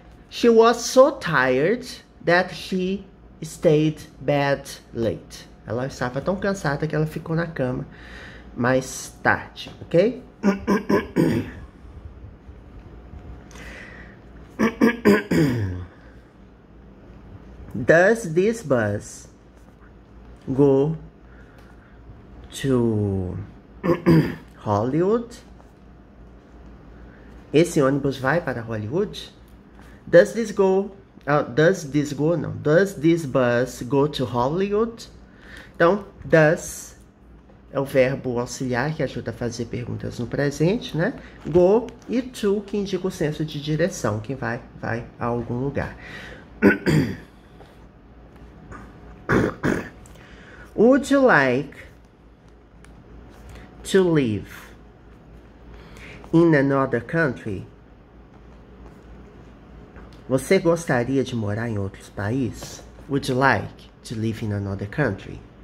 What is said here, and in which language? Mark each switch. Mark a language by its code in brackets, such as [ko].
[en] She was so tired that she stayed bed late. [pt] Ela estava tão cansada que ela ficou na cama mais tarde, ok? [en] Does this bus go to Hollywood? [pt] Esse ônibus vai para Hollywood? [en] Does this bus go to Hollywood? [pt] Então, does é o verbo auxiliar que ajuda a fazer perguntas no presente, né? Go e to que indica o senso de direção, quem vai, vai a algum lugar. [en] Would you like to live in another country? [pt] Você gostaria de morar em outro país? [en] Would you like to live in another country?